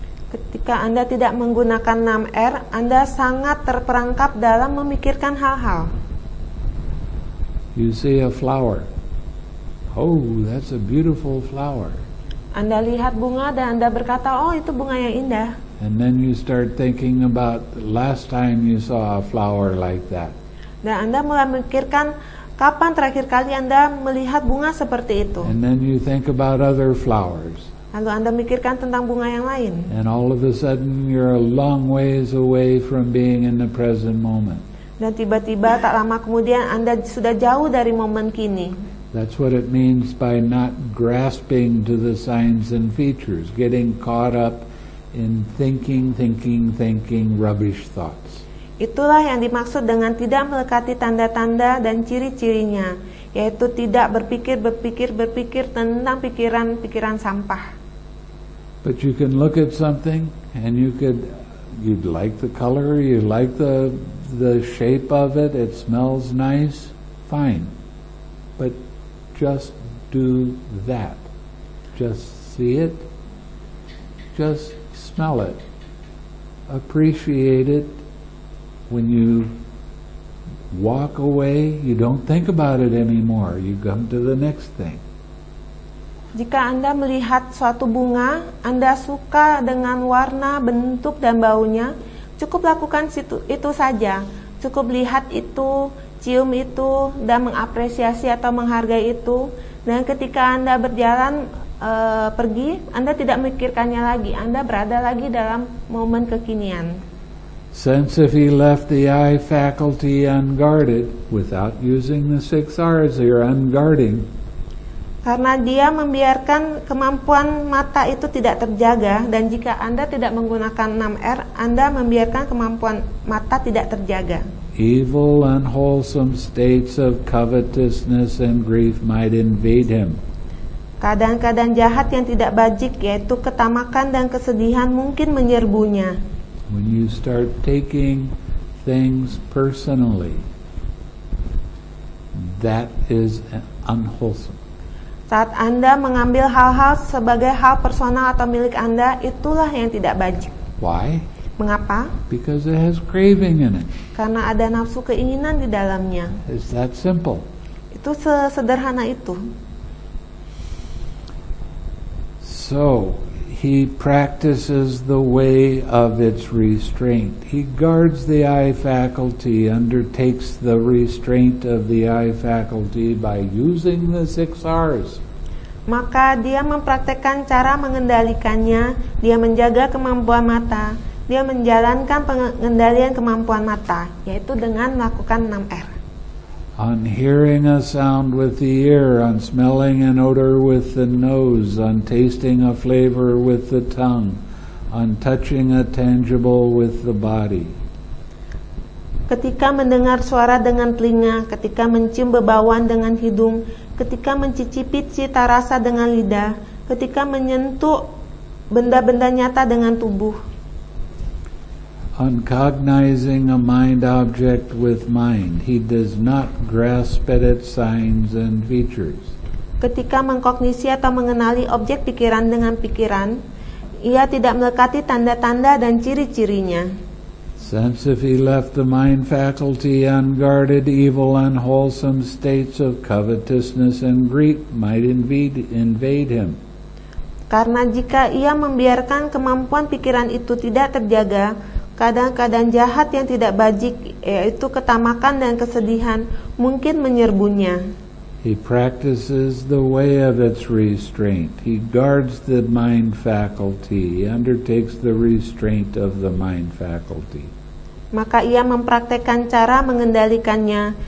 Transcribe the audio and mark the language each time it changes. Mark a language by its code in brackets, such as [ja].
[id] Ketika Anda tidak menggunakan 6R, Anda sangat terperangkap dalam memikirkan hal-hal. [en] You see a flower. Oh, that's a beautiful flower. [id] Anda lihat bunga dan Anda berkata, oh, itu bunga yang indah. [en] And then you start thinking about last time you saw a flower like that. [id] Dan Anda mulai memikirkan kapan terakhir kali Anda melihat bunga seperti itu. [en] And then you think about other flowers. [id] Lalu Anda mikirkan tentang bunga yang lain. [en] And all of a sudden you're a long ways away from being in the present moment. [id] Dan tiba-tiba tak lama kemudian Anda sudah jauh dari momen kini. [en] That's what it means by not grasping to the signs and features, getting caught up in thinking rubbish thoughts. [id] Itulah yang dimaksud dengan tidak melekati tanda-tanda dan ciri-cirinya, yaitu tidak berpikir tentang pikiran-pikiran sampah. [en] But you can look at something and you'd like the color, you like the shape of it, it smells nice, fine. But just do that. Just see it. Just smell it. Appreciate it. When you walk away, you don't think about it anymore. You come to the next thing. [id] Jika Anda melihat suatu bunga, Anda suka dengan warna, bentuk, dan baunya, cukup lakukan itu saja. Cukup lihat itu, cium itu, dan mengapresiasi atau menghargai itu. Dan ketika Anda berjalan pergi, Anda tidak memikirkannya lagi. Anda berada lagi dalam momen kekinian. [en] Since if he left the eye faculty unguarded, without using the six R's, you're unguarding. [id] Karena dia membiarkan kemampuan mata itu tidak terjaga, dan jika Anda tidak menggunakan 6R, Anda membiarkan kemampuan mata tidak terjaga. [en] Evil and wholesome states of covetousness and grief might invade him. [id] Keadaan-keadaan jahat yang tidak bajik, yaitu ketamakan dan kesedihan, mungkin menyerbunya. [en] When you start taking things personally, that is unwholesome. [id] Saat Anda mengambil hal-hal sebagai hal personal atau milik Anda, itulah yang tidak bajik. [en] Why? [id] Mengapa? [en] Because it has craving in it. [id] Karena ada nafsu keinginan di dalamnya. [en] Is that simple? [id] Itu sesederhana itu. [en] So, he practices the way of its restraint. He guards the eye faculty, undertakes the restraint of the eye faculty by using the six R's. [id] Maka dia mempraktekkan cara mengendalikannya, dia menjaga kemampuan mata, dia menjalankan pengendalian kemampuan mata, yaitu dengan melakukan 6R. [en] On hearing a sound with the ear, on smelling an odor with the nose, on tasting a flavor with the tongue, on touching a tangible with the body. [id] Ketika mendengar suara dengan telinga, ketika mencium bebauan dengan hidung, ketika mencicipi cita rasa dengan lidah, ketika menyentuh benda-benda nyata dengan tubuh. [en] On cognizing a mind object with mind, he does not grasp at its signs and features. [id] Ketika mengkognisi atau mengenali objek pikiran dengan pikiran, ia tidak melekati tanda-tanda dan ciri-cirinya. [en] Since if he left the mind faculty unguarded, evil and wholesome states of covetousness and greed might invade him. [id] Karena jika ia membiarkan kemampuan pikiran itu tidak terjaga, keadaan-keadaan jahat yang tidak bajik, yaitu ketamakan dan kesedihan, mungkin menyerbunya. [en] He practices the way of its restraint. He guards the mind faculty. He undertakes the restraint of the mind faculty. [id] Maka ia mempraktekkan cara mengendalikannya.